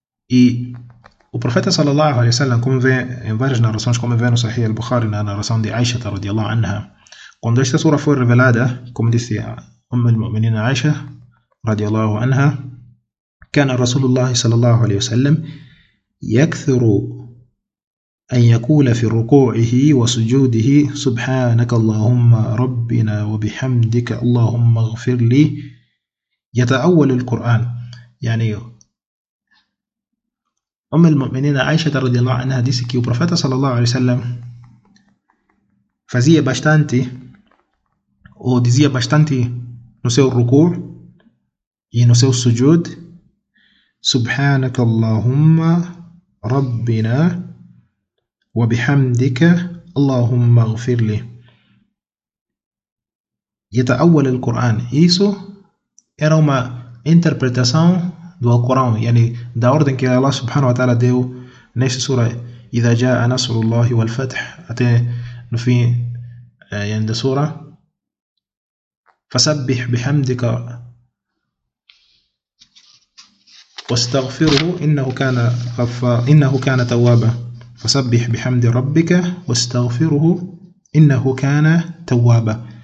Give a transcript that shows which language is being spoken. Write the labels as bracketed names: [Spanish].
[Portuguese] E o profeta sallallahu alaihi wasallam, como vê em várias narrações, como vê no Sahih al-Bukhari, na narração de Aisha radiallahu anha, quando esta sura foi revelada, como disse Umm al-Mu'minin Aisha radiallahu anha, [Arabic] كان رسول الله صلى الله عليه وسلم يكثر أن يقول في ركوعه وسجوده سبحانك اللهم ربنا وبحمدك اللهم اغفر لي يتأول القرآن. أم المؤمنين عائشة رضي الله عنها [Portuguese] disse que o profeta [Arabic] صلى الله عليه وسلم [Portuguese] fazia bastante ou dizia bastante no seu ركوع e no seu sujud [Arabic] سبحانك اللهم ربنا وبحمدك اللهم اغفر لي يتأول القرآن. [Portuguese] Isso era uma interpretação do Alcorão, da ordem que Allah subhanahu wa ta'ala deu nesta sura, [Arabic] إذا جاء نصر الله والفتح, [Portuguese] até no fim da sura, [Arabic] فسبح بحمدك واستغفره إنه كان توابا فسبح بحمد ربك واستغفره إنه كان توابا.